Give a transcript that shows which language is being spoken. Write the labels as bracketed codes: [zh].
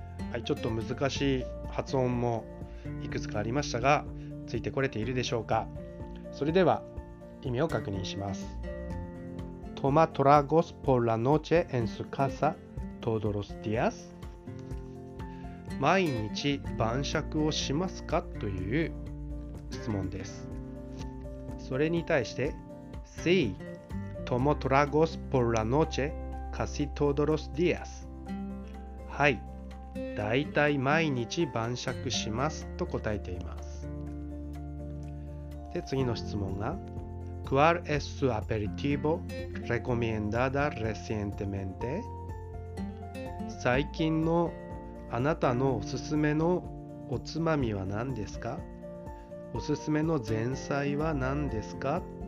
[ja] はい、ちょっと難しい発音もいくつかありましたが、ついてこれているでしょうか。それでは意味を確認します。 [es] Toma tragos por la noche en su casa todos los días. [ja] 毎日晩酌をしますかという質問です。それに対して、 [es] Sí, tomo tragos por la noche casi todos los días. [ja] はい、だいたい毎日晩酌しますと答えています。で、次の質問が [es] ¿Cuál es su aperitivo recomendada recientemente? [ja] 最近のあなたのおすすめのおつまみは何ですか？おすすめの前菜は何ですか？